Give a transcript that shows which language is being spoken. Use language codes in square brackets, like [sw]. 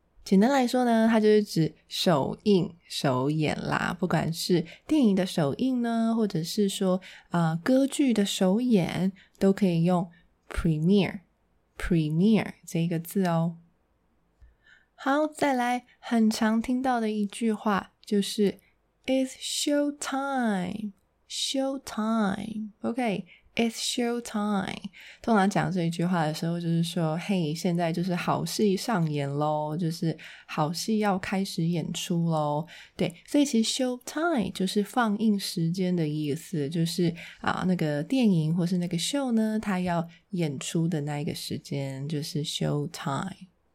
[zh] 简单来说呢，它就是指首映、首演啦，不管是电影的首映呢，或者是说、歌剧的首演，都可以用 premiere, premiere 这个字哦。好，再来很常听到的一句话，就是 [en] It's show time. Show time, OK, it's show time. [zh] 通常讲这句话的时候就是说，嘿，现在就是好戏上演咯，就是好戏要开始演出咯。对，所以其实 show time 就是放映时间的意思，就是啊，那个电影或是那个 show 呢，它要演出的那一个时间就是 show time。